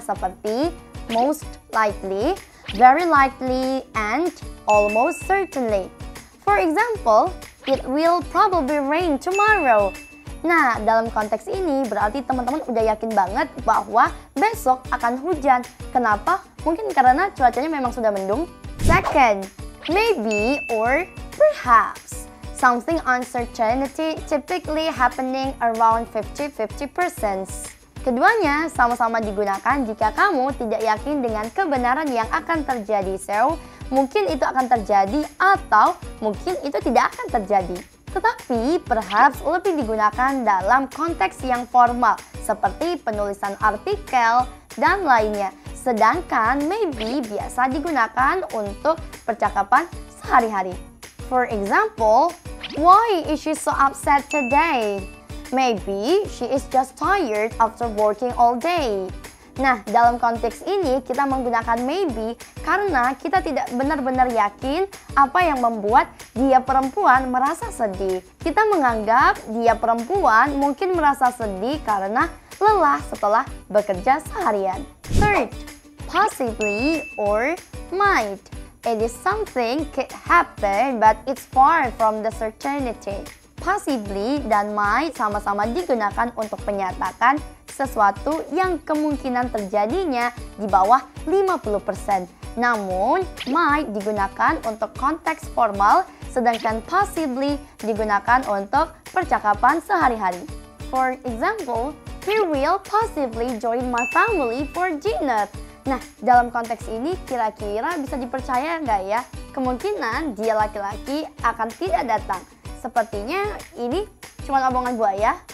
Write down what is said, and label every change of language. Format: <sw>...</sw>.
<en>Seperti most likely, very likely, and almost certainly. For example, it will probably rain tomorrow.</en> <id>Nah, dalam konteks ini berarti teman-teman udah yakin banget bahwa besok akan hujan. Kenapa? Mungkin karena cuacanya memang sudah mendung.</id> <en>Second, maybe or perhaps. Something uncertainty typically happening around 50-50%.</en> <id>Keduanya sama-sama digunakan jika kamu tidak yakin dengan kebenaran yang akan terjadi. So, mungkin itu akan terjadi atau mungkin itu tidak akan terjadi. Tetapi, perhaps lebih digunakan dalam konteks yang formal, seperti penulisan artikel dan lainnya. Sedangkan, maybe biasa digunakan untuk percakapan sehari-hari.</id> <en>For example, why is she so upset today? Maybe she is just tired after working all day.</en> <id>Nah, dalam konteks ini kita menggunakan maybe karena kita tidak benar-benar yakin apa yang membuat dia perempuan merasa sedih. Kita menganggap dia perempuan mungkin merasa sedih karena lelah setelah bekerja seharian.</id> <en>Third, possibly or might. It is something could happen but it's far from the certainty.</en> <id>Possibly dan might sama-sama digunakan untuk menyatakan sesuatu yang kemungkinan terjadinya di bawah 50%. Namun, might digunakan untuk konteks formal, sedangkan possibly digunakan untuk percakapan sehari-hari.</id> <en>For example, he will possibly join my family for dinner.</en> <id>Nah, dalam konteks ini kira-kira bisa dipercaya nggak ya? Kemungkinan dia laki-laki akan tidak datang. Sepertinya ini cuma omongan buaya.</id>